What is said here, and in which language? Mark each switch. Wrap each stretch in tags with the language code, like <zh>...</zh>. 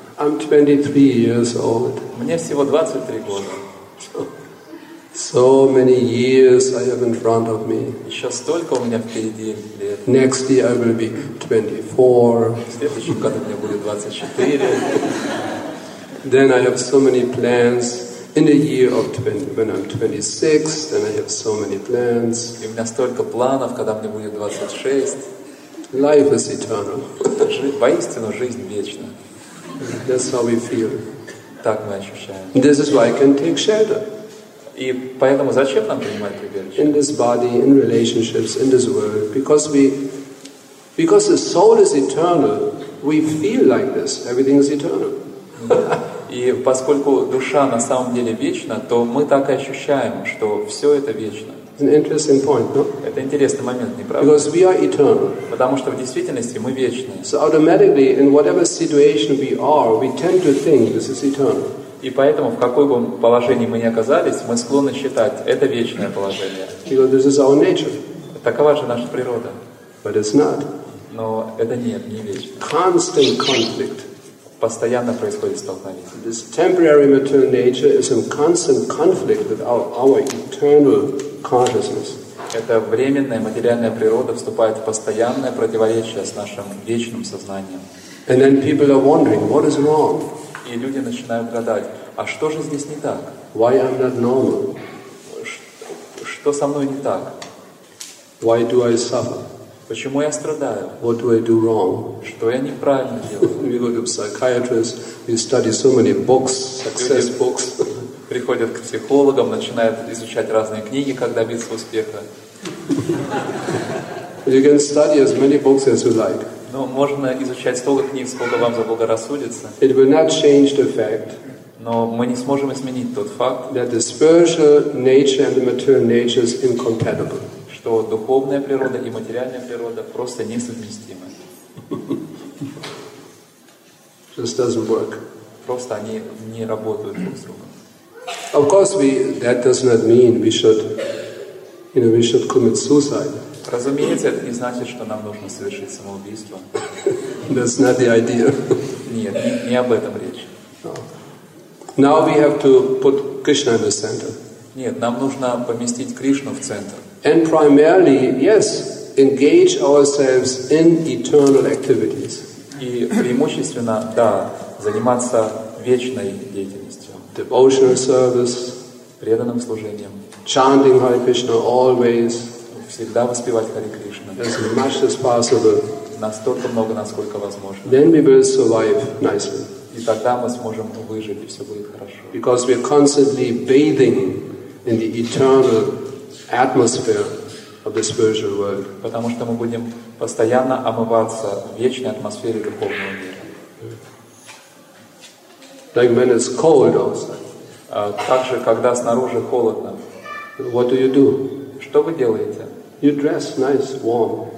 <en>I'm 23 years old.</en> <ru>Мне всего 23 года.</ru> <en>So many years I have in front of me.</en> <ru>Еще столько у меня впереди лет.</ru> <en>Next year I will be 24.</en> <ru>В следующем году мне будет 24.</ru> <en>Then I have so many plans. In the year of 20, when I'm 26, then I have so many plans.</en> <ru>И у меня столько планов, когда мне будет 26.</ru> <en>Life is eternal.</en> <ru>Воистину, жизнь вечна.</ru> <en>That's how we feel.</en> <ru>Так мы ощущаем.</ru> <en>This is why I can take shelter.</en> <ru>И поэтому зачем нам принимать прибежище?</ru> <en>In this body, in relationships, in this world, because the soul is eternal, we feel like this. Everything is eternal.</en> <ru>И поскольку душа на самом деле вечна, то мы так и ощущаем, что все это вечно.</ru> <en>An interesting point, no?</en> <ru>Это интересный момент, не правда?</ru> <en>Because we are eternal.</en> <ru>Потому что в действительности мы вечны.</ru> <en>So automatically, in whatever situation we are, we tend to think this is eternal.</en> <ru>И поэтому, в какой бы положении мы ни оказались, мы склонны считать, это вечное положение.</ru> <en>Because this is our nature.</en> <ru>Такова же наша природа.</ru> <en>But it's not.</en> <ru>Но это нет, не вечно.</ru> <en>Constant conflict.</en> <ru>Постоянно происходит столкновение.</ru> <en>This temporary material nature is in constant conflict with our eternal consciousness.</en> <ru>Это временная материальная природа вступает в постоянное противоречие с нашим вечным сознанием.</ru> <en>And then people are wondering, what is wrong?</en> <ru>И люди начинают гадать, а что же здесь не так?</ru> <en>Why I'm not normal?</en> <ru>Что со мной не так?</ru> <en>Why do I suffer?</en> <ru>Почему я страдаю?</ru> <en>What do I do wrong?</en> <ru>Что я неправильно делаю?</ru> <en>We go to psychiatrists, we study so many books, success books.</en> <ru>Приходят к психологам, начинают изучать разные книги, как добиться успеха.</ru> <en>You can study as many books as you like.</en> <ru>Но можно изучать столько книг, сколько вам заблагорассудится.</ru> <en>It will not change the fact.</en> <ru>Но мы не сможем изменить тот факт.</ru> <en>That the spiritual nature and the material nature is incompatible.</en> <ru>Что духовная природа и материальная природа просто несовместимы.</ru> <en>Just doesn't work.</en> <ru>Просто они не работают друг с другом.</ru> <en>Of course, that does not mean we should, you know, we should commit suicide.</en> <ru>Разумеется, это не значит, что нам нужно совершить самоубийство.</ru> <en>That's not the idea.</en> <ru>Нет, не об этом речь.</ru> <en>Now we have to put Krishna in the center.</en> <ru>Нет, нам нужно поместить Кришну в центр.</ru> <en>And primarily, yes, engage ourselves in eternal activities.</en> <ru>И преимущественно, да, заниматься вечной деятельностью.</ru> <en>Devotional service.</en> <ru>Преданным служением.</ru> <en>Chanting Hare Krishna always.</en> <ru>Всегда воспевать Харе Кришна.</ru> <en>As much as possible.</en> <ru>Настолько много, насколько возможно.</ru> <en>Then we will survive nicely.</en> <ru>И тогда мы сможем выжить, и все будет хорошо.</ru> <en>Because we are constantly bathing in the eternal atmosphere of the spiritual world.</en> <ru>Потому что мы будем постоянно омываться в вечной атмосфере духовного мира.</ru> <en>Like when it's cold outside.</en> <ru>Так же, когда снаружи холодно.</ru> <en>What do you do?</en> <ru>Что вы делаете?</ru> <en>You dress nice, warm.</en>